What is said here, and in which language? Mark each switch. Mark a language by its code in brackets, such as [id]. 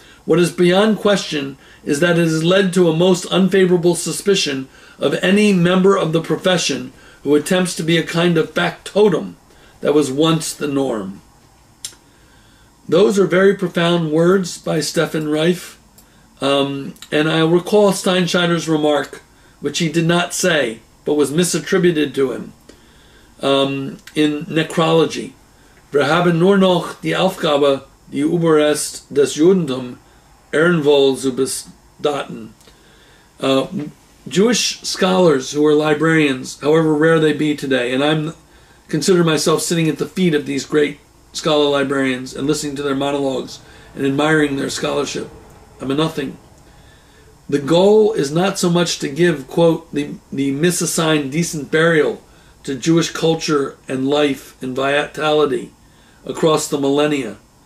[en] What is beyond question is that it has led to a most unfavorable suspicion of any member of the profession who attempts to be a kind of factotum that was once the norm. Those are very profound words by Stefan Reif. And I recall Steinschneider's remark, which he did not say, but was misattributed to him, in Necrology. [de] Wir haben nur noch die Aufgabe, die Überrest des Judentum ehrenvoll zu bestatten. [en] Jewish scholars who are librarians, however rare they be today, and I consider myself sitting at the feet of these great scholar librarians and listening to their monologues and admiring their scholarship. I'm a nothing. The goal is not so much to give, quote, the misassigned decent burial to Jewish culture and life and vitality across the millennia,